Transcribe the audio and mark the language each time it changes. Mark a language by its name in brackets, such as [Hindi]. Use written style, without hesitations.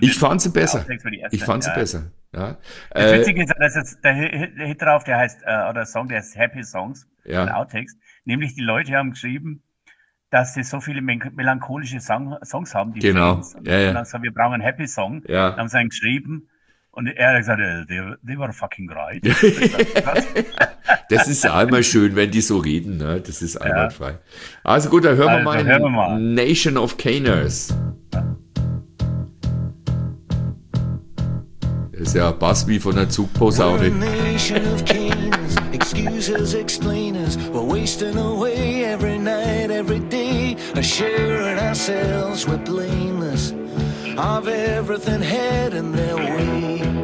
[German] ich fand sie besser. Ich fand sie besser. Ja. Das Witzige ist, dass jetzt der Hit drauf, der heißt, oder Song, der heißt Happy Songs, von Outtakes. Nämlich die Leute haben geschrieben, dass sie so viele melancholische Songs haben. Die genau. Ja, und dann gesagt, wir brauchen einen Happy Song. Ja. Dann haben sie einen geschrieben. Und er hat gesagt, [English] they were fucking right. [German] Das ist einmal schön, wenn die so reden. Ne? Das ist einwandfrei. Also gut, dann hören, also, hören wir mal Nation of Caners. Das ist ja Bass wie von der Zugposaune. [English] Nation of Caners, excuses, explainers. We're wasting away every night, every day. assured ourselves we're blameless of everything heading their way.